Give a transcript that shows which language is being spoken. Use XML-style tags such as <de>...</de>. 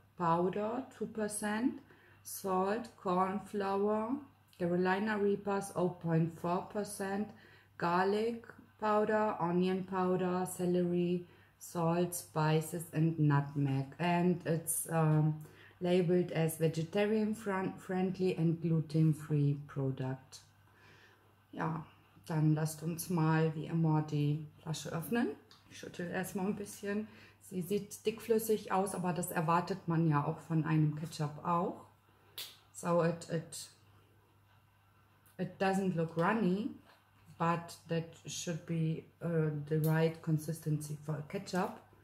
<en>Powder 2%, Salt, Corn Flour, Carolina Reapers 0.4%, Garlic Powder, Onion Powder, Celery, Salt, Spices and Nutmeg. And it's labeled as vegetarian friendly and gluten free product.</en> <de>Ja, dann lasst uns mal wie immer die Flasche öffnen. Ich schüttel erstmal ein bisschen. Sie sieht dickflüssig aus, aber das erwartet man ja auch von einem Ketchup auch.</de> <en>So it doesn't look runny, but that should be the right consistency for ketchup.</en>